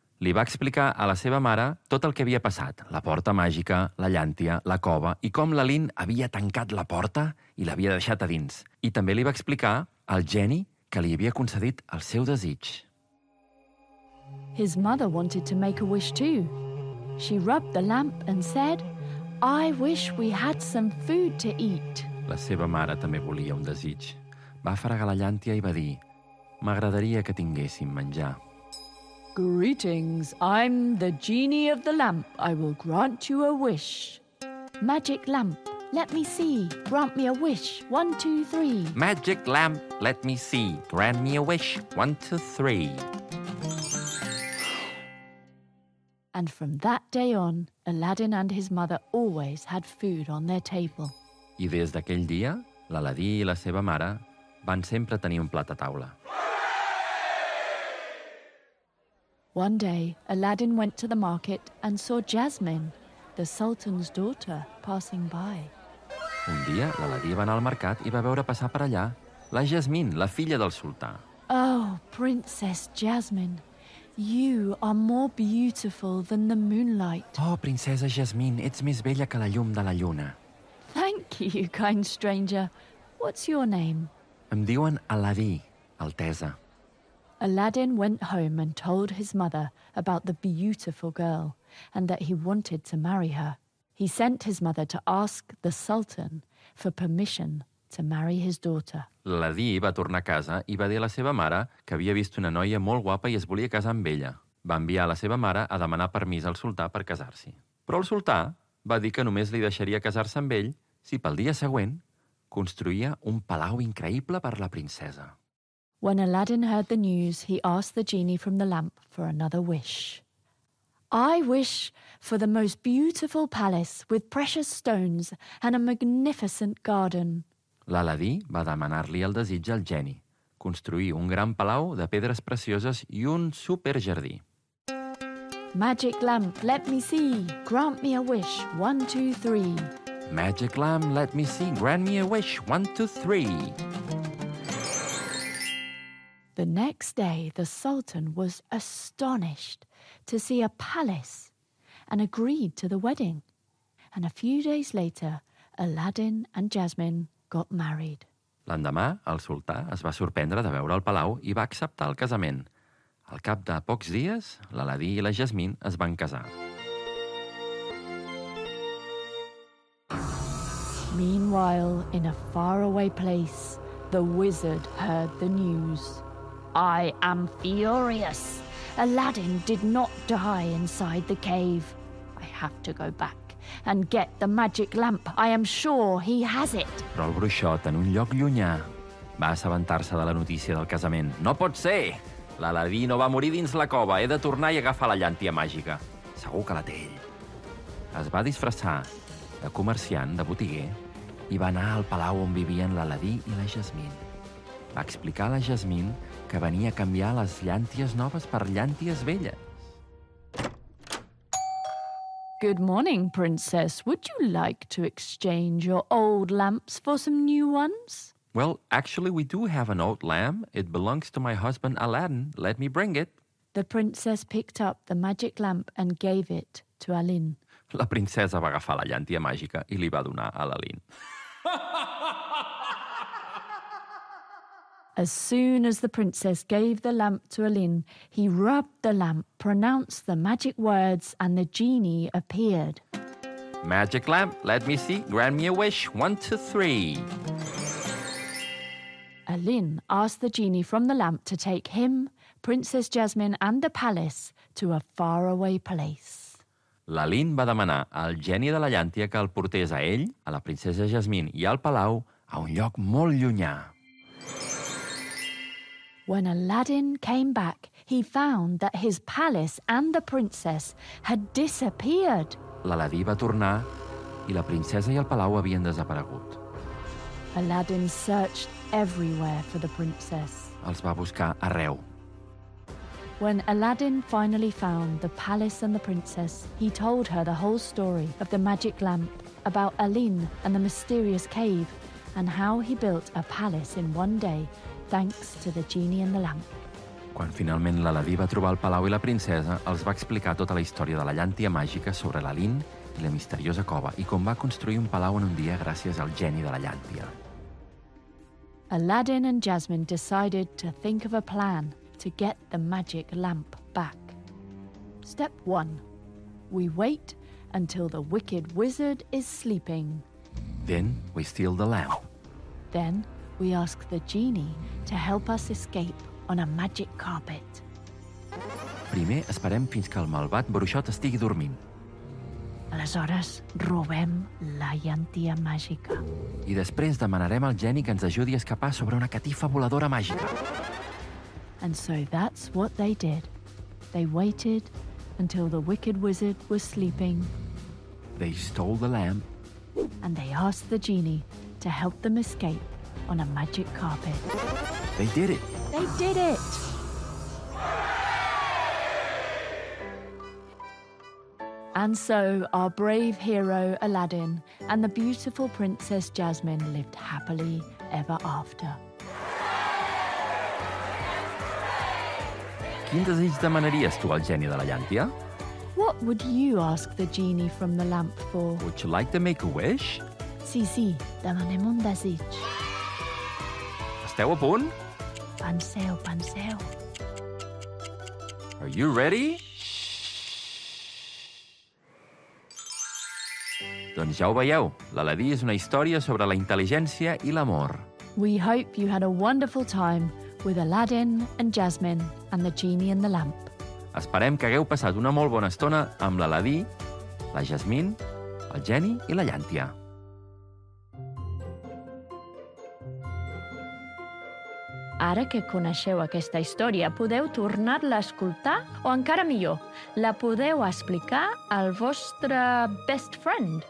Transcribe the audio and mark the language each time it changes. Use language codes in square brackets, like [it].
[ca] Li va explicar a la seva mare tot el que havia passat. La porta màgica, la llàntia, la cova, i com l'Aladdin havia tancat la porta i l'havia deixat a dins. I també li va explicar al geni que li havia concedit el seu desig. [en] His mother wanted to make a wish too. She rubbed the lamp and said, "I wish we had some food to eat." [ca] La seva mare també volia un desig. Va fregar la llàntia i va dir, "M'agradaria que tinguéssim menjar." [en] "Greetings, I'm the genie of the lamp. I will grant you a wish." "Magic lamp, let me see. Grant me a wish. 1, 2, 3. "Magic lamp, let me see. Grant me a wish. 1, 2, 3. And from that day on, Aladdin and his mother always had food on their table. [ca] I des d'aquell dia, l'Aladí i la seva mare van sempre tenir un plat a taula. [en] One day, Aladdin went to the market and saw Jasmine, the Sultan's daughter, passing by. [ca] Un dia, l'Aladí va anar al mercat i va veure passar per allà la Jasmine, la filla del sultà. [en] "Oh, Princess Jasmine, you are more beautiful than the moonlight." [ca] "Oh, princesa Jasmine, ets més bella que la llum de la lluna." [en] "Thank you, kind stranger. What's your name?" [ca] "Em diuen Aladdí, Altesa." [en] Aladdin went home and told his mother about the beautiful girl and that he wanted to marry her. He sent his mother to ask the Sultan for permission to marry his daughter. [ca] L'Aladdí va tornar a casa i va dir a la seva mare que havia vist una noia molt guapa i es volia casar amb ella. Va enviar la seva mare a demanar permís al sultà per casar-s'hi. Però el sultà va dir que només li deixaria casar-se amb ell si pel dia següent construïa un palau increïble per la princesa. [en] When Aladdin heard the news, he asked the genie from the lamp for another wish. I wish for the most beautiful palace with precious stones and a magnificent garden. [ca] L'Aladí va demanar-li el desig al geni, construir un gran palau de pedres precioses i un superjardí. [en] Magic lamp, let me see, grant me a wish, 1, 2, 3. Magic lamp, let me see, grant me a wish, 1, 2, 3. The next day, the Sultan was astonished to see a palace and agreed to the wedding. And a few days later, Aladdin and Jasmine got married. [ca] L'endemà, el sultà es va sorprendre de veure el palau i va acceptar el casament. Al cap de pocs dies, l'Aladí i la Jasmine es van casar. [en] Meanwhile, in a faraway place, the wizard heard the news. I am furious. Aladdin did not die inside the cave. I have to go back and get the magic lamp. I am sure he has it. [ca] Però el bruixot, en un lloc llunyà, va assabentar-se de la notícia del casament. No pot ser! L'Aladí no va morir dins la cova. He de tornar i agafar la llàntia màgica. Segur que la té ell. Es va disfressar de comerciant, de botiguer, i va anar al palau on vivien l'Aladí i la Jasmine. Va explicar a la Jasmine que venia a canviar les llànties noves per llànties velles. [en] Good morning, princess. Would you like to exchange your old lamps for some new ones? Well, actually, we do have an old lamp. It belongs to my husband, Aladdin. Let me bring it. The princess picked up the magic lamp and gave it to Aladdin. [ca] La princesa va agafar la llàntia màgica i li va donar a Aladdin. [en] As soon as the princess gave the lamp to Aladdin, he rubbed the lamp, pronounced the magic words, and the genie appeared. Magic lamp, let me see, grant me a wish, 1, 2, 3. Aladdin asked the genie from the lamp to take him, Princess Jasmine, and the palace to a faraway place. [ca] L'Aladdin va demanar al geni de la llàntia que el portés a ell, a la princesa Jasmine i al palau, a un lloc molt llunyà. [en] When Aladdin came back, he found that his palace and the princess had disappeared. [ca] L'Aladdí va tornar i la princesa i el palau havien desaparegut. [en] Aladdin searched everywhere for the princess. [ca] Els va buscar arreu. [en] When Aladdin finally found the palace and the princess, he told her the whole story of the magic lamp, about Aladdin and the mysterious cave, and how he built a palace in one day, thanks to the genie and the lamp. [ca] Quan finalment l'Aladí va trobar el palau i la princesa, els va explicar tota la història de la llàntia màgica sobre l'Aladdin i la misteriosa cova i com va construir un palau en un dia gràcies al geni de la llàntia. [en] Aladdin and Jasmine decided to think of a plan to get the magic lamp back. Step 1. We wait until the wicked wizard is sleeping. Then we steal the lamp. Then we ask the genie to help us escape on a magic carpet. [ca] Primer esperem fins que el malvat bruixot estigui dormint. Aleshores, robem la llàntia màgica. I després demanarem al geni que ens ajudi a escapar sobre una catifa voladora màgica. [en] And so that's what they did. They waited until the wicked wizard was sleeping. They stole the lamp. And they asked the genie to help them escape on a magic carpet. They did it. They did it. And so our brave hero Aladdin and the beautiful Princess Jasmine lived happily ever after. [ca] Quin desig demanaries tu al geni de la llàntia? [en] What would you ask the genie from the lamp for? Would you like to make a wish? [ca] Sí, sí, demanem un desig. Esteu a punt? Penseu, penseu. [en] Are you ready? [ca] Doncs ja ho veieu, l'Aladí és una història sobre la intel·ligència i l'amor. [en] We hope you had a wonderful time with Aladdin and Jasmine and the genie and the lamp. [ca] Esperem que hagueu passat una molt bona estona amb l'Aladí, la Jasmine el geni i la llàntia. Ara que coneixeu aquesta història, podeu tornar-la a escoltar o, encara millor, la podeu explicar al vostre [en] best friend.